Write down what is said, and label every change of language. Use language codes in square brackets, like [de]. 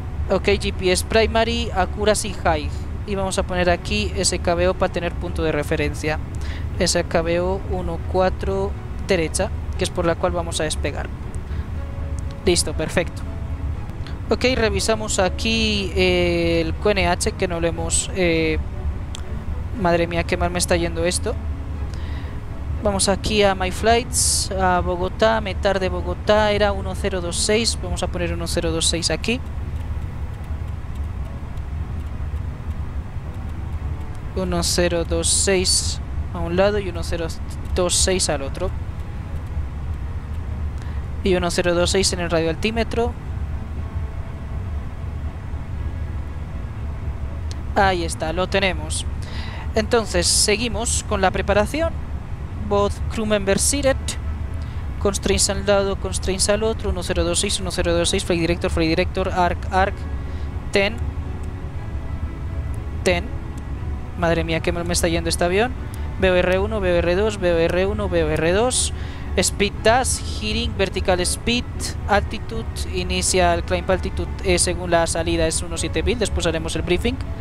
[en] Ok, GPS primary, accuracy high. [es] Y vamos a poner aquí SKBO para tener punto de referencia. SKBO 1.4 derecha, que es por la cual vamos a despegar. Listo, perfecto. Ok, revisamos aquí el QNH, que no lo hemos... madre mía, qué mal me está yendo esto. Vamos aquí a My Flights, a Bogotá, METAR de Bogotá, era 1026, vamos a poner 1026 aquí. 1026 a un lado y 1026 al otro. Y 1026 en el radio altímetro. Ahí está, lo tenemos. Entonces, seguimos con la preparación. [en] Both crew members seated. Constraints [es] al lado, [en] constraints [es] al otro. [en] 1026, 1026, flight director, flight director. Arc, arc. Ten. Ten. [es] Madre mía, qué mal me está yendo este avión. [en] VR1, VR2, VR1, VR2. Speed dash, hearing, vertical speed, altitude, inicial climb altitude, [es] según la salida es 17000, después haremos el briefing.